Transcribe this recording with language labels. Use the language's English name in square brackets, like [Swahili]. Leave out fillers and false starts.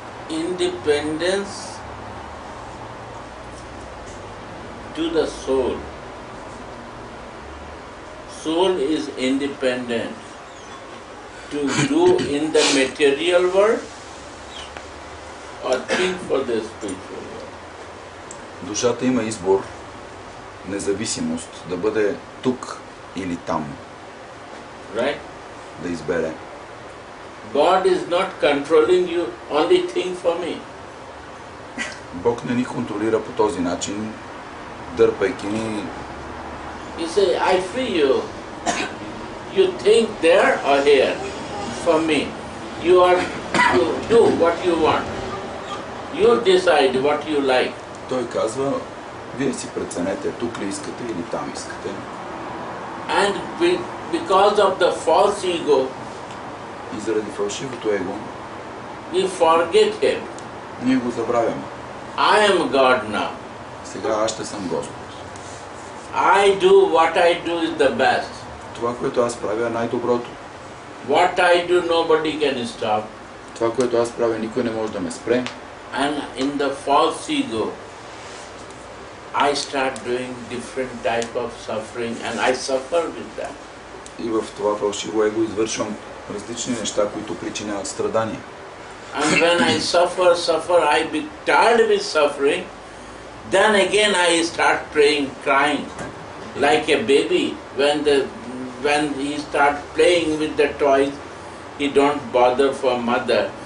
[English] Independence to the soul. Soul is independent to do in the material world or think for the spiritual world. [Bulgarian] Душата има избор, независимост, да бъде тук или там. [English] Right? [Bulgarian] Да избере. [English] God is not controlling you, only think for me. [Bulgarian] Бог не ни контролира по този начин. Дърпайки ни. [English] You say, I free you. You think there or here for me. You are to do what you want. You decide what you like. [Bulgarian] Той казва, вие си преценете тук ли искате или там искате. [English] And because of the false ego, [Bulgarian] и заради фалшивото его, [English] we forget him. [Bulgarian] Ние го забравяме. [English] I am God now. [Bulgarian] Сега аз ще съм Господ. [English] I do what I do is the best. [Bulgarian] Това, което аз правя, е най-доброто. [English] What I do, nobody can stop. [Bulgarian] Това, което аз правя, никой не може да ме спре. [English] And in the false ego, I start doing different type of suffering and I suffer with that. [Bulgarian] И в това фалшиво его извършвам различни неща, които причиняват страдания. [English] And when I suffer, I be tired with suffering. Then again I start praying, crying, like a baby. When he start playing with the toys, he don't bother for mother.